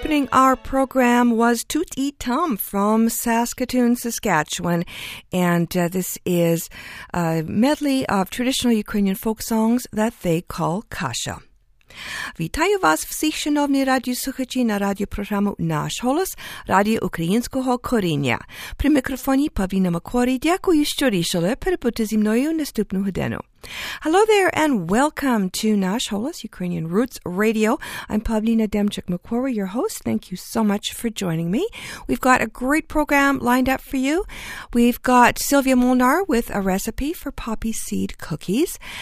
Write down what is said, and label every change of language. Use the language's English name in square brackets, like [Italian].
[English] Our program was Toot E Tum from Saskatoon, Saskatchewan, and this is a medley of traditional Ukrainian folk songs that they call Kasha. [Ukrainian] Вітаю вас всіх, шановні радіослухачі, на радіопрограму «Наш голос» Радіо Українського коріння. При мікрофоні Павіна Макорі. Дякую, що рішили перебути зі мною наступну годину. [English] Hello there and welcome to «Наш голос» Ukrainian Roots Radio. I'm Павліна Демчик-Макорі, your host. Thank you so much for joining me. We've got a great program lined up for you. We've got Sylvia Molnar with a recipe for poppy seed cookies.